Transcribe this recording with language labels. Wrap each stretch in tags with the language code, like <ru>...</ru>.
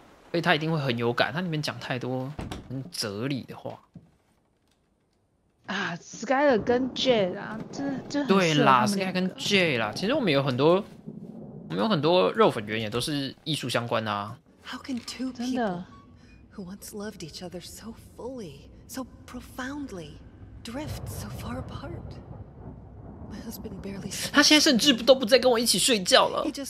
<zh>所以它一定会很有感，它里面讲太多很哲理的话。啊 ，Skyler 跟 Jay 啊，这很对啦 ，Skyler 跟 Jay 啦。其实我们有很多，我们有很多肉粉员也都是艺术相关的啊。</zh> <en>How can two people who once loved each other so fully, so profoundly, drift so far apart? My husband barely.</en> <zh>他现在甚至都不再跟我一起睡觉了。</zh>